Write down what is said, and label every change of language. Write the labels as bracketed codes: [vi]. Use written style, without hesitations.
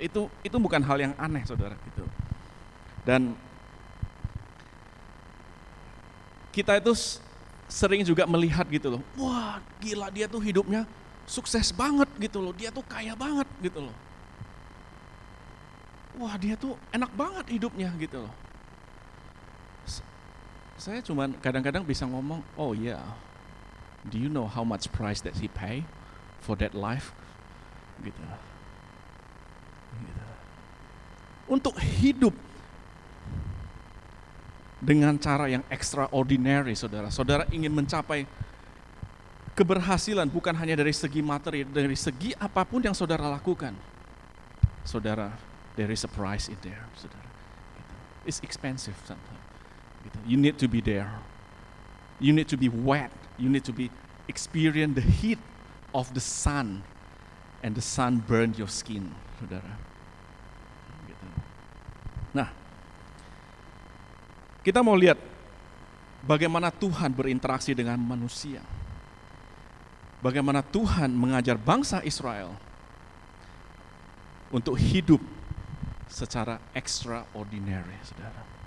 [id] Itu bukan hal yang aneh, Saudara, gitu. Dan kita itu sering juga melihat, gitu loh. Wah, gila, dia tuh hidupnya sukses banget, gitu loh. Dia tuh kaya banget, gitu loh. Wah, dia tuh enak banget hidupnya, gitu loh. Saya cuman kadang-kadang bisa ngomong, [en] oh yeah, do you know how much price that he pay for that life? Gitu. Gitu. [id] Untuk hidup dengan cara yang extraordinary, Saudara. Saudara ingin mencapai keberhasilan bukan hanya dari segi materi, dari segi apapun yang Saudara lakukan. [en] saudara, there is a price in there, saudara. It's expensive sometimes. You need to be there. You need to be wet. You need to be experience the heat of the sun, and the sun burned your skin, saudara. [id] Nah, kita mau lihat bagaimana Tuhan berinteraksi dengan manusia. Bagaimana Tuhan mengajar bangsa Israel untuk hidup secara extraordinary, saudara.